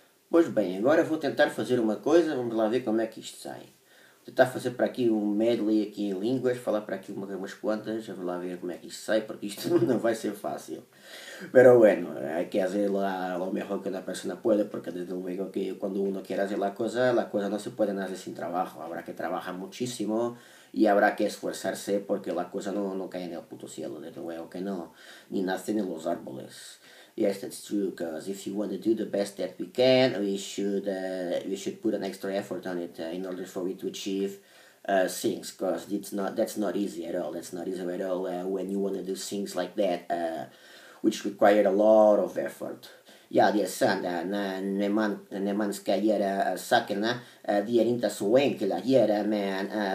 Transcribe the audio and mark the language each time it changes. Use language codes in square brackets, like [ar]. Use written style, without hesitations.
[pt] Pois bem, agora vou tentar fazer uma coisa, vamos lá ver como é que isto sai. Vou tentar fazer para aqui um medley aqui em línguas, falar para aqui umas quantas, vamos lá ver como é que isto sai, porque isto não vai ser fácil. [es] Pero bueno, hay que hacer lo mejor que una persona puede, porque desde luego que cuando uno quiere hacer la cosa no se puede hacer sin trabajo, habrá que trabajar muchísimo. Y habrá que esforzarse porque la cosa no cae en el puto cielo, desde luego que no. Ni nacen en los árboles. [en] Yes, that's true, because if you want to do the best that we can, we should put an extra effort on it in order for it to achieve things, because that's not easy at all. That's not easy at all when you want to do things like that, which require a lot of effort. [sv] Ja, det är sant. När man ska göra sakerna, det är inte så enkelt att göra, men...